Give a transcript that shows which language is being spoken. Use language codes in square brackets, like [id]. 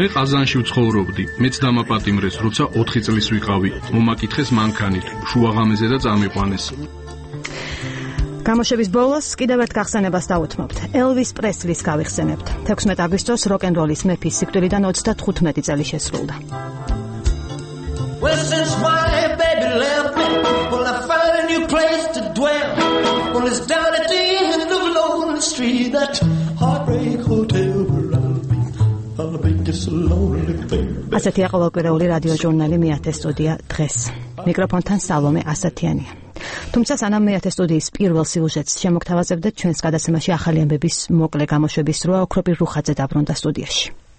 [ru] Мы [ka] Казанში ვცხოვრობდი. მეც დამაპატიმრეს, როცა 4 წლის ვიყავი. მომაკითხეს მანქანით, შუაღამეზე და წამიყვანეს. გამოშების ბოლოს კიდევ ერთ გახსენებას დავუთმობთ. ელვის პრესლის გავიხსენებთ. 16 აგვისტოს როკენროლის მეფის სიკვდილიდან 95 წელი შესრულდა. [en] Well, since my baby left me, well, I found a new place to dwell. Well, it's down at the end of Lonely Street, that heartbreak hotel where I'll be this lonely baby. [ka] ასეთია ყოველკვირეული რადიო ჟურნალი მეათე სტუდია დღეს. მიკროფონთან სალომე ასათიანია. თუმცა სანამ მეათე სტუდიის პირველ სიუჟეტს შემოგთავაზებდეთ, ჩვენს გადაცემაში ახალი ამბების მოკლე გამოშვების როა ოქროპი რუხაძე დაბრუნდა სტუდიაში.